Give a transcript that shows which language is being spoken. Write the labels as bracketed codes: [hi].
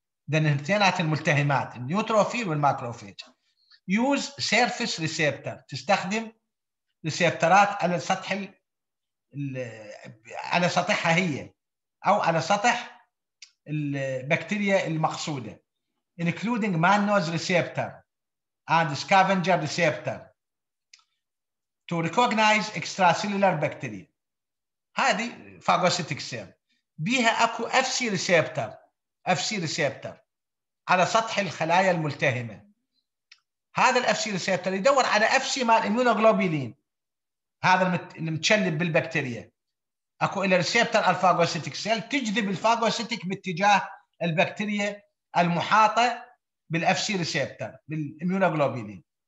[ar] ذن الاثنينات الملتهمات النيوتروفيل والماكروفيج. [en] use surface receptor, [ar] تستخدم ريسبترات على سطح على سطحها هي او على سطح البكتيريا المقصوده. [en] Including mannose receptor and scavenger receptor to recognize extracellular bacteria. [ar] هذه phagocytic cell. بها اكو FC receptor. FC receptor على سطح الخلايا الملتهمه. هذا ال FC receptor يدور على FC مال immunoglobulin. هذا المتشلب بالبكتيريا. اكو الى receptor على phagocytic cell تجذب الفاجوسيتيك باتجاه البكتيريا المحاطة بالاف سي ريسبتر بالاميونوغلوبولين.